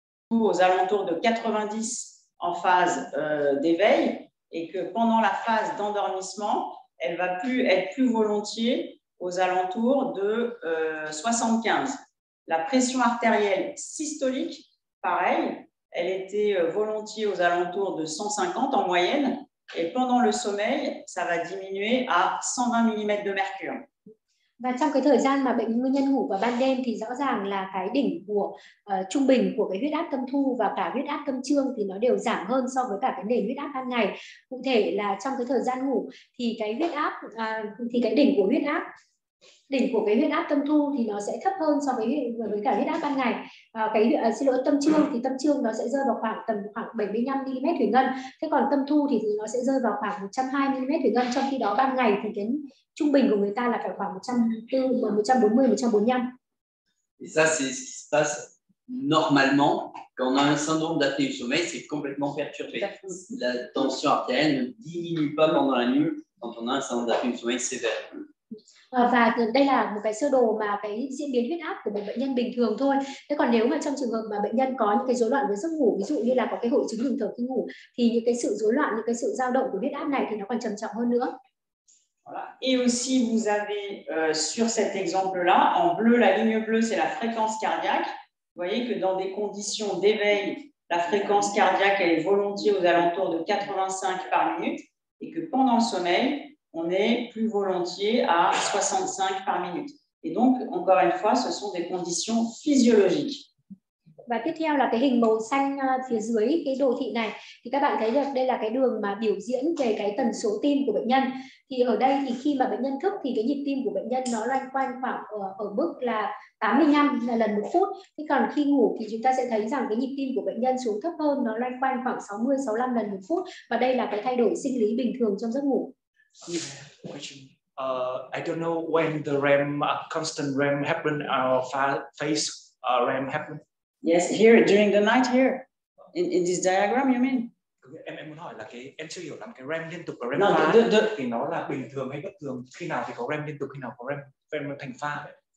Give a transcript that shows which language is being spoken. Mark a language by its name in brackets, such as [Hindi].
[French] Aux alentours de 90 en phase d'éveil, et que pendant la phase d'endormissement, elle va plus être plus volontiers aux alentours de 75. La pression artérielle systolique, pareil, elle était volontiers aux alentours de 150 en moyenne, et pendant le sommeil, ça va diminuer à 120 mm de mercure. [Vietnamese] Và trong cái thời gian mà bệnh nguyên nhân ngủ vào ban đêm thì rõ ràng là cái đỉnh của trung bình của cái huyết áp tâm thu và cả huyết áp tâm trương thì nó đều giảm hơn so với cả cái nền huyết áp ban ngày. Cụ thể là trong cái thời gian ngủ thì cái đỉnh của huyết áp đỉnh của cái huyết áp tâm thu thì nó sẽ thấp hơn so với cả huyết áp ban ngày. Tâm trương thì tâm trương nó sẽ rơi vào khoảng tầm khoảng 75mm thủy ngân. Thế còn tâm thu thì nó sẽ rơi vào khoảng 120mm thủy ngân, trong khi đó ban ngày thì cái trung bình của người ta là phải khoảng 140-145. [French] Et ça, c'est ce qui se passe normalement quand on a un syndrome d'apnée du sommeil, c'est complètement perturbé. La tension artérielle ne diminue pas pendant la nuit quand on a un syndrome d'apnée du sommeil sévère. [Vietnamese] Và đây là một cái sơ đồ mà cái diễn biến huyết áp của một bệnh nhân bình thường thôi. Thế còn nếu mà trong trường hợp mà bệnh nhân có những cái rối loạn về giấc ngủ, ví dụ như là có cái hội chứng ngừng thở khi ngủ, thì những cái sự rối loạn, những cái sự dao động của huyết áp này thì nó còn trầm trọng hơn nữa. [French] Et aussi vous avez sur cet exemple là en bleu, la ligne bleue c'est la fréquence cardiaque. Vous voyez que dans des conditions d'éveil, la fréquence cardiaque elle est volontiers aux alentours de 85 par minute, et que pendant le sommeil on est plus volontiers à 65 par minute. Et donc, encore une fois, ce sont des conditions physiologiques. [Vietnamese] Và tiếp theo là cái hình màu xanh phía dưới cái đồ thị này, thì các bạn thấy được đây là cái đường mà biểu diễn về cái tần số tim của bệnh nhân. Thì ở đây thì khi mà bệnh nhân thức thì cái nhịp tim của bệnh nhân nó loanh quanh khoảng ở mức là 85 là lần một phút. Thế còn khi ngủ thì chúng ta sẽ thấy rằng cái nhịp tim của bệnh nhân xuống thấp hơn, nó loanh quanh khoảng 60-65 lần một phút. Và đây là cái thay đổi sinh lý bình thường trong giấc ngủ. [English] I don't know when the constant REM happened or phase REM happened. Yes, here during the night here. In this diagram, you mean? [Vietnamese] Em muốn hỏi là em chưa hiểu lắm cái REM liên tục và REM thì nó là bình thường hay bất thường, khi nào thì có REM liên tục, khi nào có REM thành pha vậy?